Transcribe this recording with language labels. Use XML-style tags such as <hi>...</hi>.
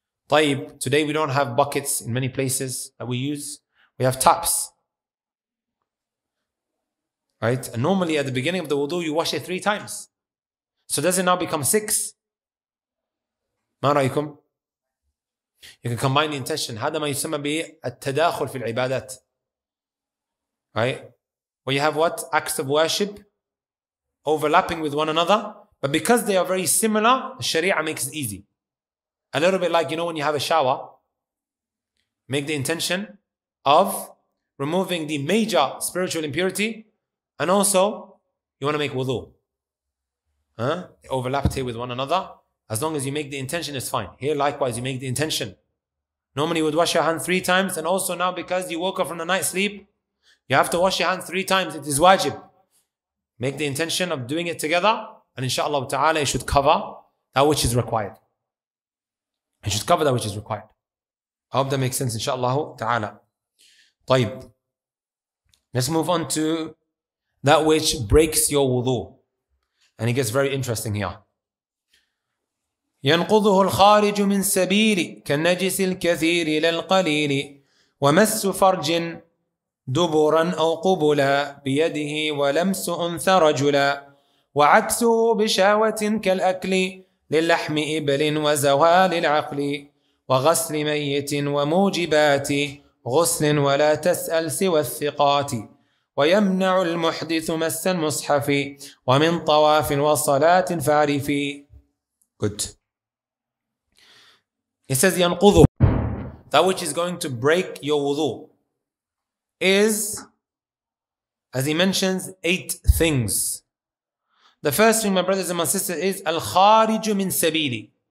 <en>Tayyib, today we don't have buckets in many places that we use. We have taps. Right? And normally at the beginning of the wudu, you wash it three times. So does it now become six?</en> <ar>Ma raikum?</ar> <en>You can combine the intention.</en> <ar>هذا ما يسمى بالتداخل في العبادات.</ar> <en>Right? Where you have what? Acts of worship overlapping with one another. But because they are very similar, the Sharia makes it easy. A little bit like, you know, when you have a shower, make the intention of removing the major spiritual impurity and also you want to make wudu. Huh? They overlap here with one another. As long as you make the intention, it's fine. Here, likewise, you make the intention. Normally, you would wash your hand three times and also now because you woke up from the night sleep, you have to wash your hands three times. It is wajib. Make the intention of doing it together. And inshallah ta'ala, it should cover that which is required. It should cover that which is required. I hope that makes sense, inshallah ta'ala. Tayyib. Let's move on to that which breaks your wudu. And it gets very interesting here.</en> <ar>ينقضه الخارج من سبيلي كالنجس الكثير إلى القليل ومس فرج دبرا أو قبلا بيده ولمس أنثى رجلا وعكسه بشهوة كالأكل للحم إبل وزوال العقل وغسل ميت وموجبات غسل ولا تسأل سوى الثقات ويمنع المحدث مس المصحف ومن طواف وصلاة فارفي.</ar> <en>Good. It says ينقض. That which is going to break your wudu is, as he mentions, 8 things. The first thing, my brothers and my sisters, is</en> <ar>الخارج من سبيلي.</ar>